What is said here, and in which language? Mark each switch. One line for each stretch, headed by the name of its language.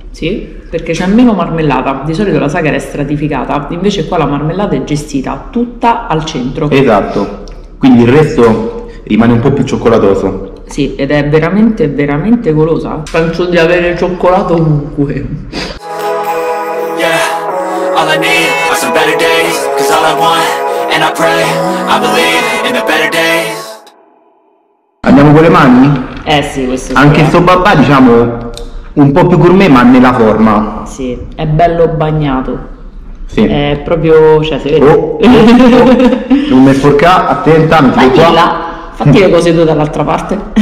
Italian: Sì, perché c'è meno marmellata. Di solito la Sacher è stratificata, invece qua la marmellata è gestita tutta al centro. Esatto, quindi il resto rimane un po' più cioccolatoso. Sì, ed è veramente veramente golosa. Penso di avere cioccolato ovunque.
English: Yeah, all I need are some better days, 'cause all I want and I pray, I believe in the better days.
Italian: Andiamo con le mani? Eh sì, questo è anche sto babà, diciamo, un po' più gourmet, ma nella forma. Sì, è bello bagnato. Sì. È proprio, cioè, si vede. Non mi sporca, attenta, mi tiro qua. Fatti le cose tu dall'altra parte.